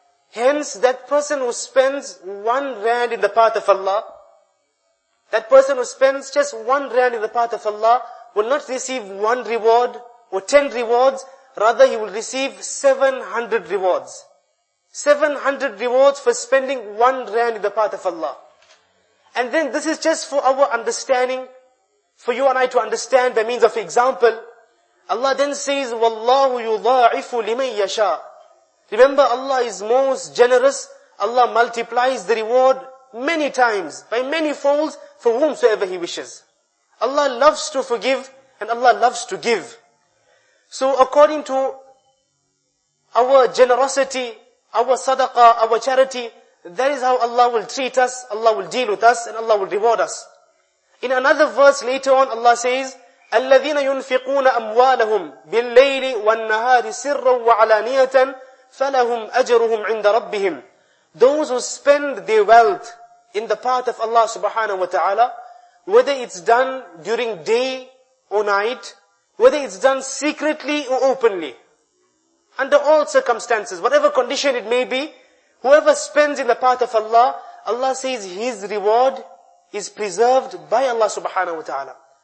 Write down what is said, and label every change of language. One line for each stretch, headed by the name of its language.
English: Hence, that person who spends 1 rand in the path of Allah, that person who spends just 1 rand in the path of Allah, will not receive 1 reward or 10 rewards, rather he will receive 700 rewards. 700 rewards for spending 1 rand in the path of Allah. And then this is just for our understanding, for you and I to understand by means of example. Allah then says,
Arabic: وَاللَّهُ يُضَاعِفُ لِمَنْ يَشَاء.
English: Remember, Allah is most generous. Allah multiplies the reward many times, by many folds, for whomsoever He wishes. Allah loves to forgive and Allah loves to give. So according to our generosity, our sadaqah, our charity, that is how Allah will treat us, Allah will deal with us, and Allah will reward us. In another verse later on, Allah says,
Arabic: الَّذِينَ يُنْفِقُونَ أَمْوَالَهُمْ بِاللَّيْلِ وَالنَّهَارِ سِرًّا وَعَلَانِيَةً فَلَهُمْ أَجْرُهُمْ عِنْدَ رَبِّهِمْ.
English: Those who spend their wealth in the path of Allah subhanahu wa ta'ala, whether it's done during day or night, whether it's done secretly or openly, under all circumstances, whatever condition it may be, whoever spends in the path of Allah, Allah says his reward is preserved by Allah subhanahu wa ta'ala.